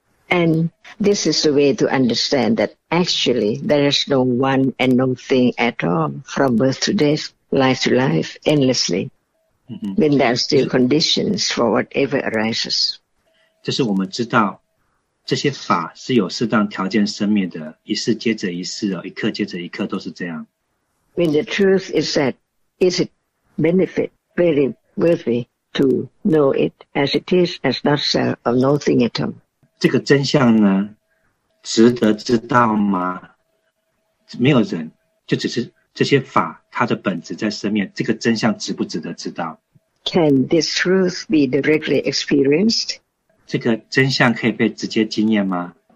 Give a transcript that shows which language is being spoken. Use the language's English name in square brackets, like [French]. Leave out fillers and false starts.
[English] And this is the way to understand that actually there is no one and no thing at all from birth to death. Life to life, endlessly, when there are still conditions for whatever arises. [Chinese] 这是我们知道，这些法是有适当条件生灭的，一世接着一世，一刻接着一刻都是这样。 [English] When the truth is that, is it benefit, very worthy to know it as it is, as not self or nothing at all? [Chinese] 这个真相呢，值得知道吗？没有人，就只是这些法它的本质在生灭，这个真相值不值得知道？ [English] Can this truth be directly experienced? [Chinese] 这个真相可以被直接经验吗？